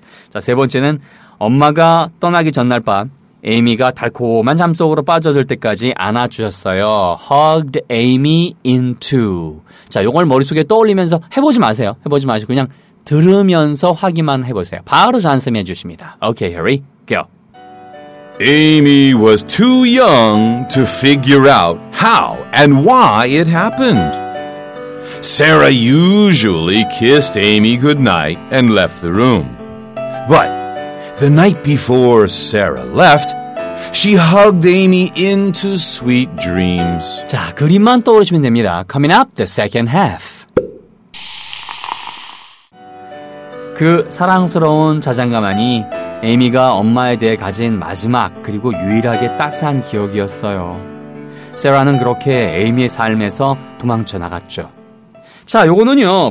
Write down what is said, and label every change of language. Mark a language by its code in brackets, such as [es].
[ko] 자, 세 번째는 엄마가 떠나기 전날 밤 에이미가 달콤한 잠 속으로 빠져들 때까지 안아주셨어요. [en] Hugged Amy into. [ko] 자, 이걸 머릿속에 떠올리면서 해보지 마세요. 해보지 마시고 그냥 들으면서 확인만 해보세요. 바로 잔소리해 주십니다. [en] Okay, Harry, go. Amy was too young to figure out how and why it happened. Sarah usually kissed Amy goodnight and left the room. But the night before Sarah left, she hugged Amy into sweet dreams. [ko] 자, 그림만 떠오르시면 됩니다. [en] Coming up, the second half. [ko] 그 사랑스러운 자장감 아니 에이미가 엄마에 대해 가진 마지막 그리고 유일하게 따스한 기억이었어요. 세라는 그렇게 에이미의 삶에서 도망쳐 나갔죠. 자, 요거는요.